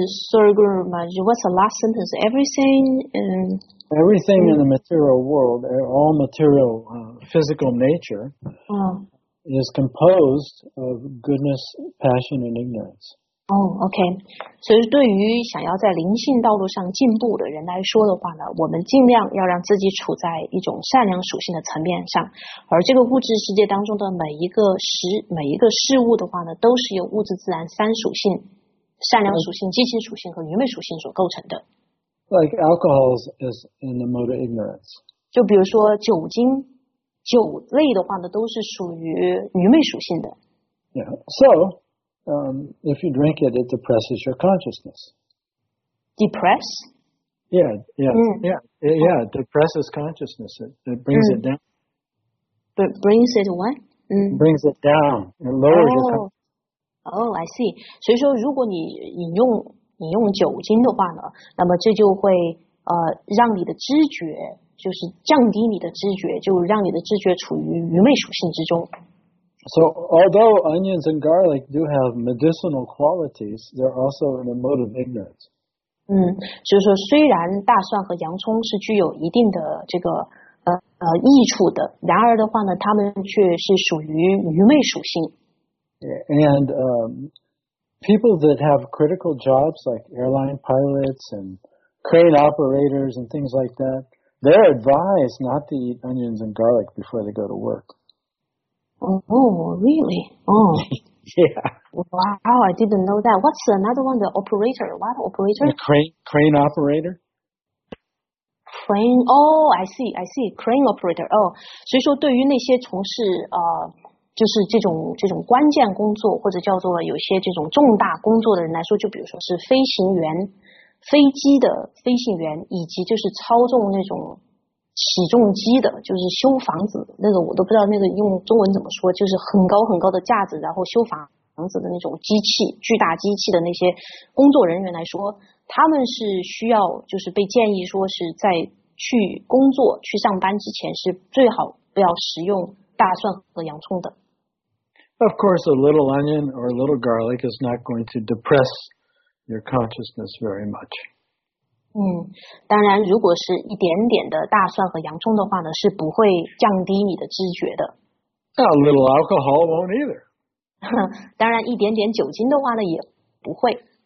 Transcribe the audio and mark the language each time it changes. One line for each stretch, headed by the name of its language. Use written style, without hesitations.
English: Sorry, Guru Maharaj, what's the last sentence? Everything in the material world, all material, physical nature, is composed of goodness, passion, and ignorance. OK.
Chinese: 所以对于想要在灵性道路上进步的人来说的话呢，我们尽量要让自己处在一种善良属性的层面上，而这个物质世界当中的每一个事物的话呢，都是由物质自然三属性，善良属性、激情属性和愚昧属性所构成的。
English: Like alcohol is in the mode of ignorance.
Chinese: 就比如说酒精。酒类的话呢，都是属于愚昧属性的。
English: Yeah. So, if you drink it, it depresses your consciousness. Depress? Yeah. It depresses consciousness. It brings it down. But brings it what? Brings it down. It lowers your consciousness. Oh, I see.
Chinese: 所以说，如果你饮用酒精的话呢，那么这就会让你的知觉。就是降低你的知觉，就让你的知觉处于愚昧属性之中。
English: So although onions and garlic do have medicinal qualities, they're also in a mode of ignorance.
Chinese: 就是说虽然大蒜和洋葱是具有一定的这个益处的，然而的话呢，它们却是属于愚昧属性。
English: And people that have critical jobs like airline pilots and crane operators and things like that. They're advised not to eat onions and garlic before they go to work. Oh, really? Oh. Yeah. Wow, I didn't know that. What's another one? The operator. What operator? The crane operator. Crane. Oh, I see. Crane operator.
Chinese: Oh, 所以说对于那些从事就是这种关键工作或者叫做有些这种重大工作的人来说，就比如说是飞行员。飞机的飞行员以及就是操纵那种起重机的，就是修房子那个，我都不知道那个用中文怎么说，就是很高很高的架子然后修房子的那种机器，巨大机器的那些工作人员来说，他们是需要就是被建议说是在去工作去上班之前是最好不要食用大蒜和洋葱的。
English: Of course a little onion or a little garlic is not going to depressyour consciousness very much.
Chinese: 当然如果是一点点的大蒜和洋葱的话呢，是不会降低你的知觉的。
English: A little alcohol won't either.
Chinese: 当然一点点酒精的话呢，也不会。